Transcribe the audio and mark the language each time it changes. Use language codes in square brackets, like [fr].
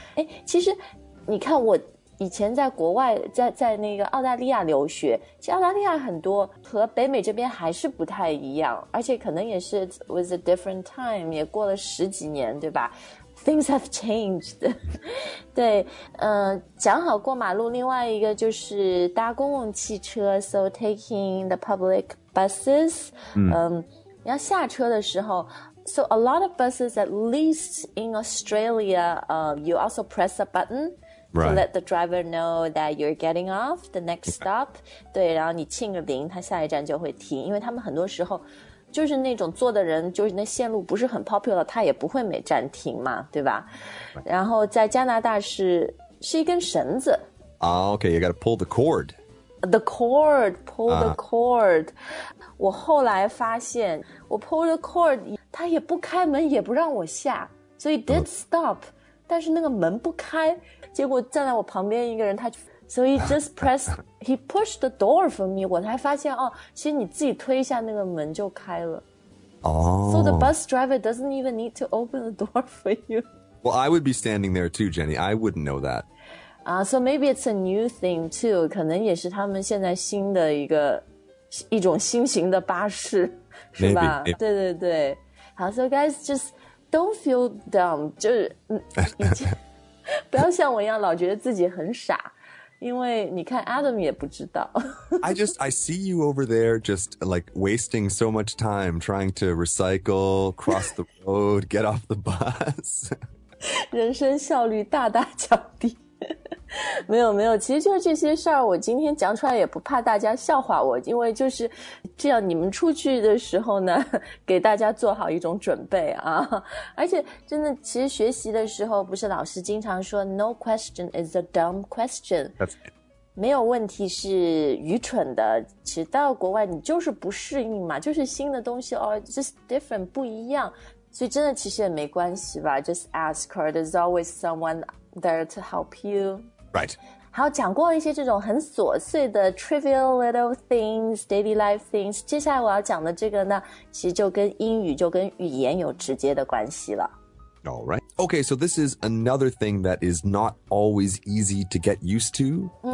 [zh] 哎，其实你看我以前在国外 在那个澳大利亚留学，其实澳大利亚很多和北美这边还是不太一样，而且可能也是 [en] was a different time, [zh] 也过了十几年，对吧？ [en] Things have changed. [zh] 对，讲好过马路，另外一个就是搭公共汽车 ， [en] so taking the public buses. 嗯， [zh] 要下车的时候 [en] ，so a lot of buses, at least in Australia, you also press a button to let the driver know that you're getting off the next stop. [zh] 对，然后你轻个铃，他下一站就会停，因为他们很多时候。就是那种坐的人就是那线路不是很 popular, 他也不会每站停嘛，对吧？然后在加拿大是一根绳子。 [en] Okay, you gotta pull the cord. the cord, pull the cord. [zh] 我后来发现我 [en] pull the cord, [zh] 他也不开门也不让我下。所以 [en] did stop, [zh] 但是那个门不开。结果站在我旁边一个人他就 [en] So he just pressed, he pushed the door for me. [zh] 我才发现哦，其实你自己推一下那个门就开了。哦、oh. [en] So the bus driver doesn't even need to open the door for you. Well, I would be standing there too, Jenny. I wouldn't know that. So maybe it's a new thing too. [zh] 可能也是他们现在新的一种新型的巴士，是吧？ [en] Maybe. [zh] 对对对。 [en] 好 ，So guys, just don't feel dumb. [zh] 就是不要像我一样老觉得自己很傻。因为你看 Adam 也不知道 [en] I see you over there just like wasting so much time trying to recycle, cross the road, get off the bus. [zh] 人生效率大大降低没有没有其实就是这些事儿我今天讲出来也不怕大家笑话我因为就是这样你们出去的时候呢给大家做好一种准备啊而且真的其实学习的时候不是老师经常说 [en] No question is a dumb question [zh] 没有问题是愚蠢的其实到国外你就是不适应嘛就是新的东西哦 [en] just different [zh] 不一样所以真的其实也没关系吧 [en] Just ask her there's always someone there to help you Right. [zh] 好讲过一些这种很琐碎的 [en] trivial little things, daily life things, [zh] 接下来我要讲的这个呢其实就跟英语就跟语言有直接的关系了。 [en] All right. Okay, so this is another thing that is not always easy to get used to.、Mm.